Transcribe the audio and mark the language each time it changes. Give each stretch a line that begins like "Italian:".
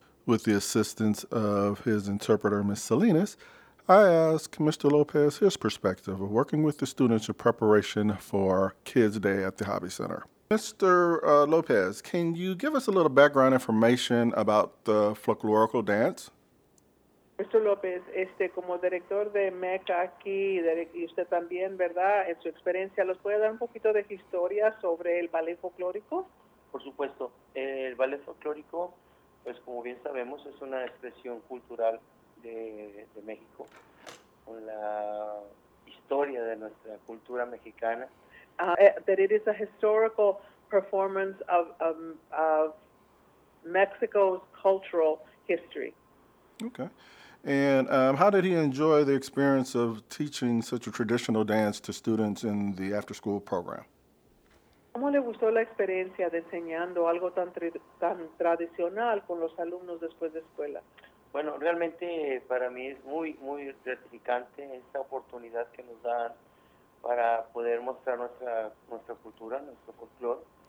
English: With the assistance of his interpreter, Ms. Salinas, I ask Mr. Lopez his perspective of working with the students in preparation for Kids Day at the Hobby Center. Mr. Lopez, can you give us a little background information about the folklorical dance? Mr.
Spanish: Lopez, como director de MECA aquí, y usted también, ¿verdad? En su experiencia, ¿los puede dar un poquito de historia sobre el ballet folclórico? Por supuesto. El ballet folclórico, pues como bien sabemos, es una expresión cultural de México, con la historia de nuestra cultura mexicana.
English: That it is a historical performance of Mexico's cultural history. Okay. And how did he enjoy the experience of teaching such a traditional dance to students in the after-school program?
Spanish: ¿Cómo le gustó la experiencia de enseñando algo tan tradicional con los alumnos después de escuela? Bueno, realmente para mí es muy, muy gratificante esta oportunidad que nos dan para poder mostrar nuestra cultura, nuestro folclore.